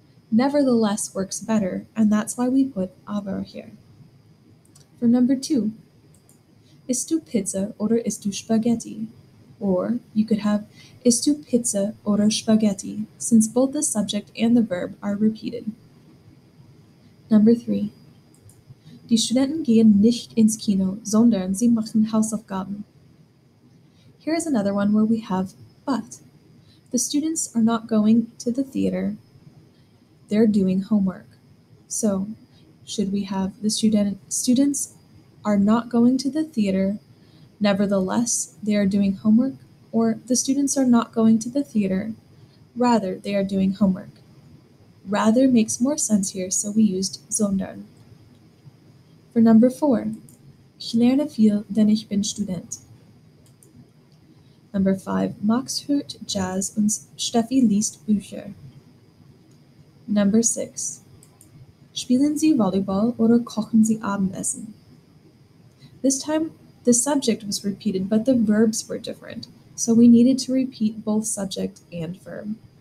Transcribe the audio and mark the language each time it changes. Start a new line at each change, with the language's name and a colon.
English: Nevertheless works better, and that's why we put aber here. For number two,
German: isst du Pizza oder isst du Spaghetti?
English: Or you could have
German: isst du Pizza oder Spaghetti,
English: since both the subject and the verb are repeated. Number three,
German: die Studenten gehen nicht ins Kino, sondern sie machen Hausaufgaben.
English: Here is another one where we have but. The students are not going to the theater, they're doing homework. So, should we have the students are not going to the theater, nevertheless, they are doing homework, or the students are not going to the theater, rather, they are doing homework. Rather makes more sense here, so we used sondern. For number four,
German: ich lerne viel, denn ich bin Student.
English: Number five,
German: Max hört Jazz und Steffi liest Bücher.
English: Number six,
German: spielen Sie Volleyball oder kochen Sie Abendessen?
English: This time, the subject was repeated, but the verbs were different, so we needed to repeat both subject and verb.